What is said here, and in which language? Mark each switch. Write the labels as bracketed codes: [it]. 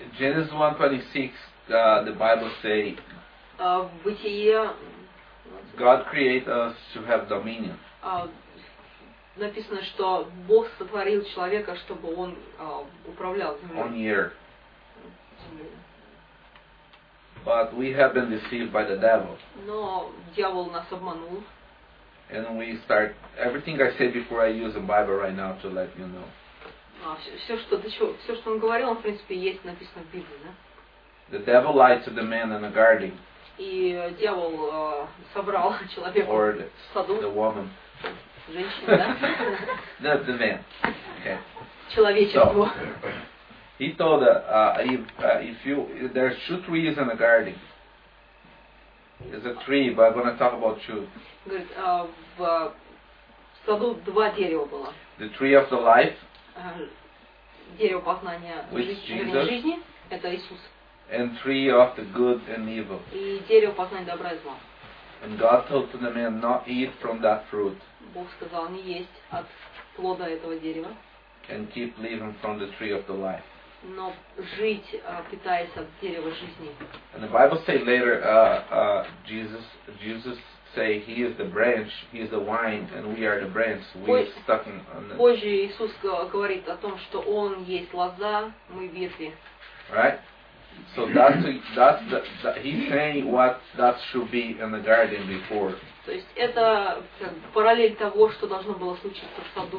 [en] Genesis 1:26, the Bible say. [ru] В Бытие. [en] God create us to have dominion. [ru] Написано, что Бог сотворил человека, чтобы он управлял землей. [en] On earth. But we have been deceived by the devil. [ru] Но дьявол нас обманул. [en] And we start everything I said before. I use the Bible right now to let you know. [ru] Все, что он говорил, он в принципе есть написано в Библии, да? [en] The devil lied to the man in the garden. [ru] И дьявол собрал человека. [en] Or [ru] в саду. [en] The woman. [ru] Женщина, да? [en] Not the man. Okay. [ru] Человечество. [en] So, he told that if there's two trees in the garden. It's a tree, but I'm going to talk about two. [ru] Говорит, в саду два дерева было. [en] The tree of the life. [ru] Дерево познания жизни. Это Иисус. [en] And tree of the good and evil. [ru] И дерево познания добра и зла. [en] And God told to the man, not eat from that fruit. [ru] Бог сказал, не есть от плода этого дерева. [en] And keep living from the tree of the life. [ru] Но жить, питаясь от дерева жизни. [en] And the Bible say later, Jesus say he is the branch, he is the vine, and we are the branch. [ru] Позже Иисус говорит о том, что он есть лоза, мы ветви. [en] Right? So he's saying what that should be in the garden before. [ru] То есть это как параллель того, что должно было случиться в саду.